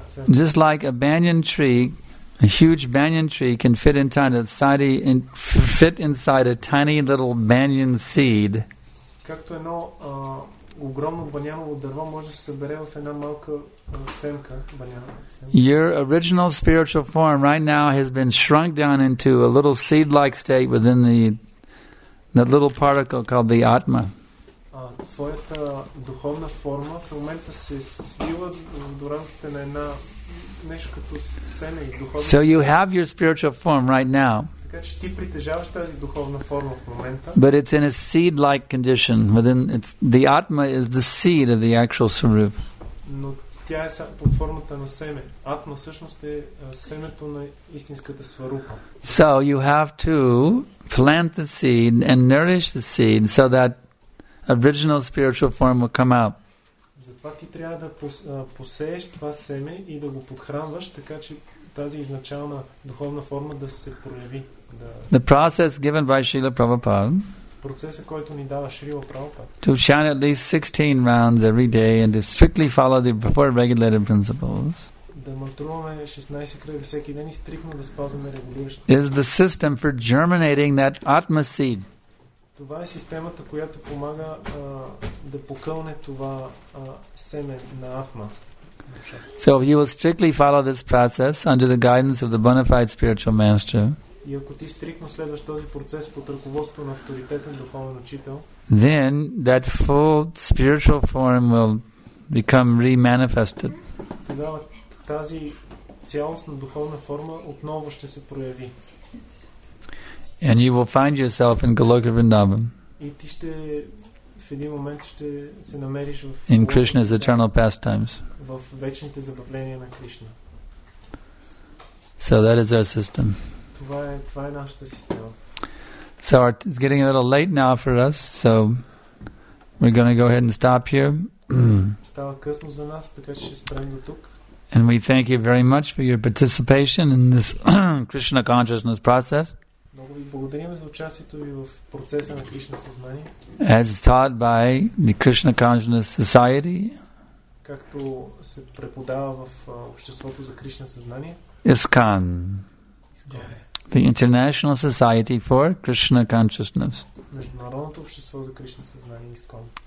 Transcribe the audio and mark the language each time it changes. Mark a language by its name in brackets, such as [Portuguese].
[English] just like a banyan tree, a huge banyan tree can fit inside a tiny little banyan seed. [Bulgarian] Както едно огромно баняново дърво може да се събере в една малка семка, баняна. [English] Your original spiritual form right now has been shrunk down into a little seed-like state within that little particle called the Atma. [Bulgarian] Твоята духовна форма в момента се свива до рамките на една нещо като семе и духовна. [English] So you have your spiritual form right now. [Bulgarian] Така че ти притежаваш тази духовна форма в момента. [English] But it's in a seed-like condition. Within it's the Atma is the seed of the actual Swarup. [Bulgarian] Но тя е под формата на семе. Атма всъщност е семето на истинската Сварупа. [English] So you have to plant the seed and nourish the seed so that original spiritual form will come out. [Bulgarian] Затова ти трябва да посееш това семе и да го подхранваш, така че тази изначална духовна форма да се прояви. [English] The process given by Srila Prabhupada. [Bulgarian] Процесът, който ни дава Шрила Прабхупад. [English] To chant at least 16 rounds every day and to strictly follow the four regulated principles. [Bulgarian] Да мантруваме 16 кръга всеки ден и стриктно да спазваме регулиращите. [English] Is the system for germinating that Atma seed. [Bulgarian] Това е системата, която помага да покълне това семе на Атма. [English] So if you will strictly follow this process under the guidance of the bona fide spiritual master. [Bulgarian] И ако ти стриктно следваш този процес под ръководство на авторитетен духовен учител, [English] then that full spiritual form will become re-manifested. [Bulgarian] Тогава тази цялостна духовна форма отново ще се прояви. [English] And you will find yourself in Goloka Vrindavan. [Bulgarian] И ти ще в един момент ще се намериш в [English] In Krishna's eternal pastimes. [Bulgarian] В вечните забавления на Кришна. [English] So that is our system. [Bulgarian] Това е нашата система. [English] So it's getting a little late now for us, so we're going to go ahead and stop here. [Bulgarian] Става късно за нас, така че ще спрем до тук. [English] And we thank you very much for your participation in this Krishna consciousness process. [Bulgarian] Много ви благодарим за участието ви в процеса на Кришна съзнание. [English] As taught by the Krishna Consciousness Society. [Bulgarian] Както се преподава в обществото за Кришна съзнание. [English] ISKCON. The International Society for Krishna Consciousness. [Bulgarian] Международното общество за Кришна съзнание ISKCON.